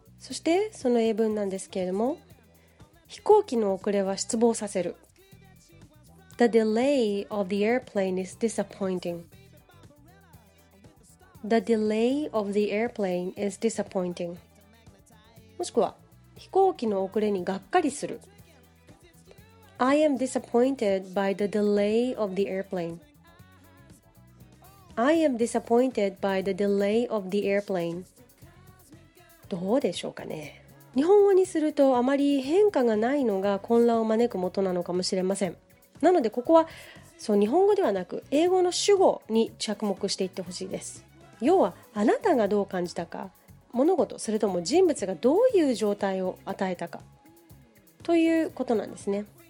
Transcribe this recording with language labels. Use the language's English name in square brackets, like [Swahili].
[Japanese] そしてその英文なんですけれども、飛行機の遅れは失望させる。 [English] The delay of the airplane is disappointing. The delay of the airplane is disappointing. [Japanese] もしくは飛行機の遅れにがっかりする。 [English] I am disappointed by the delay of the airplane. I am disappointed by the delay of the airplane. [Japanese] どうでしょうかね。日本語にするとあまり変化がないのが混乱を招く元なのかもしれません。なのでここはそう、日本語ではなく英語の主語に着目していってほしいです。要はあなたがどう感じたか、物事、それとも人物がどういう状態を与えたかということなんですね。